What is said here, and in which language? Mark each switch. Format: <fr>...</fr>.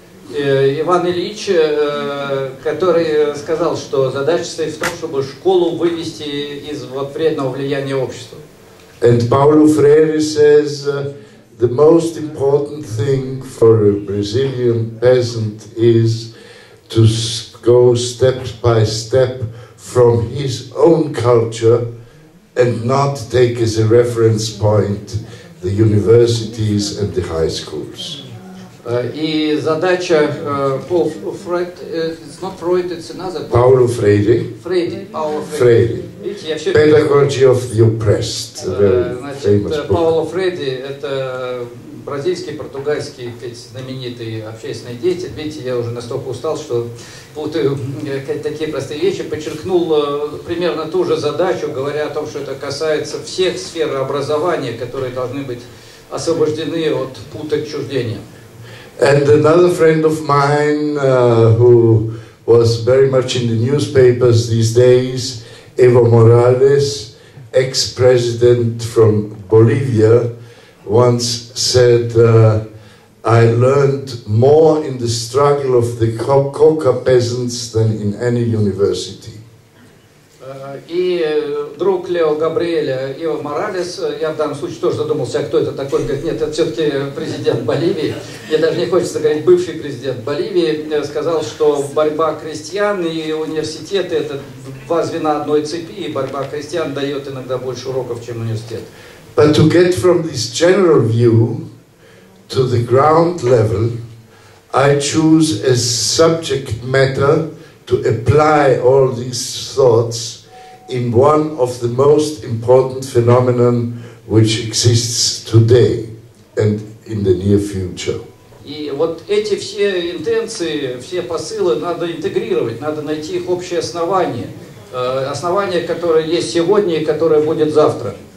<ru>Иван Ильич, который сказал, что задача стоит в том, чтобы школу вывести из вот вредного влияния общества.</ru> <en>And Paulo Freire says the most important thing for a Brazilian peasant is to go step by step from his own culture and not take as a reference point the universities and the high schools.</en> <ru>И задача</ru> <en>Paul Freud, it's not Freud, it's another Paulo Freire. Freire. Freire. Pedagogy of the Oppressed. Famous book.</en> <ru>Paulo Freire, это бразильский, португальский, знаменитый общественный деятель. Видите, я уже настолько устал, что путаю такие простые вещи. Подчеркнул примерно ту же задачу, говоря о том, что это касается всех сфер образования, которые должны быть освобождены от пут отчуждения.</ru> <en>And another friend of mine, who was very much in the newspapers these days, Evo Morales, ex-president from Bolivia, once said, I learned more in the struggle of the coca peasants than in any university.</en> <ru>И друг Лео Габриэля, Ио Моралес, я в данном случае тоже задумался, кто это такой, говорит, нет, это все-таки президент Боливии, мне даже не хочется говорить бывший президент Боливии, сказал, что борьба крестьян и университеты — это два звена одной цепи, и борьба крестьян дает иногда больше уроков, чем университет.</ru> <en>But to get from this general view to the ground level, I choose a subject matter to apply all these thoughts in one of the most important phenomena which exists today and in the near future.</en> <ru>И вот эти все интенции, все посылы надо интегрировать, надо найти их общее основание, основание, которое есть сегодня и которое будет завтра.</ru>